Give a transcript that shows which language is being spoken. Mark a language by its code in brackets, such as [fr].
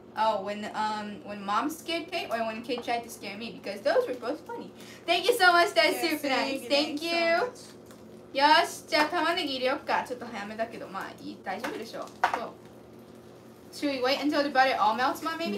[en] Oh, when mom scared Kate or when Kate tried to scare me because those were both funny. Thank you so much. That's super nice. Thank you. [ja] よし、じゃあ玉ねぎ入れよっか。ちょっと早めだけど、まあいい、大丈夫でしょう。 [en] Should we wait until the butter all melts, Mom, maybe?